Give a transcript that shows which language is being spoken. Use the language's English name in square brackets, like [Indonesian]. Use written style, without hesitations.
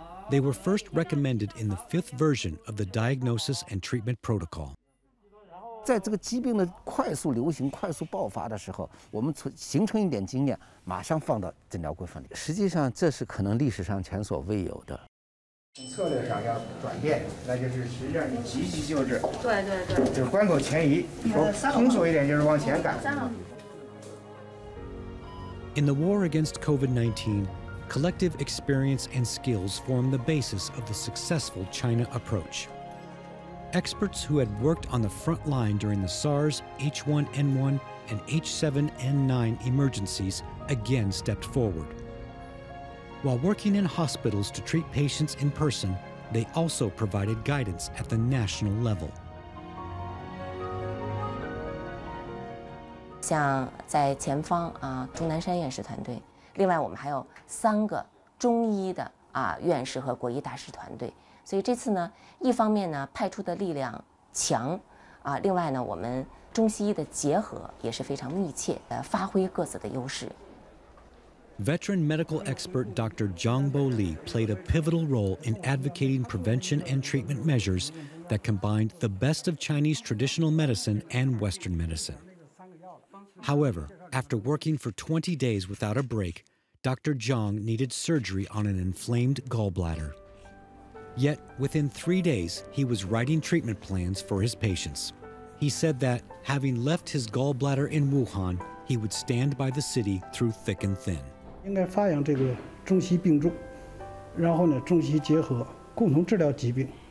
[English] They were first recommended in the 5th version of the diagnosis and treatment protocol. [Chinese] 在这个疾病的快速流行、快速爆发的时候，我们形成一点经验，马上放到诊疗规范里。实际上，这是可能历史上前所未有的。策略上要转变，那就是实际上你积极救治。对对对。就是关口前移，说通俗一点就是往前赶。三号。 [English] In the war against COVID-19, collective experience and skills form the basis of the successful China approach. Experts who had worked on the front line during the SARS, H1N1, and H7N9 emergencies again stepped forward. While working in hospitals to treat patients in person, they also provided guidance at the national level. [Chinese] 像在前方啊，钟南山院士团队，另外我们还有三个中医的啊院士和国医大师团队。所以这次呢，一方面呢派出的力量强，啊，另外呢我们中西医的结合也是非常密切，发挥各自的优势。 [English] Veteran medical expert Dr. Zhang Bo Li played a pivotal role in advocating prevention and treatment measures that combined the best of Chinese traditional medicine and Western medicine. However, after working for 20 days without a break, Dr. Zhang needed surgery on an inflamed gallbladder. Yet, within 3 days, he was writing treatment plans for his patients. He said that, having left his gallbladder in Wuhan, he would stand by the city through thick and thin. [Chinese] 应该发扬这个中西并重，然后呢，中西结合，共同治疗疾病。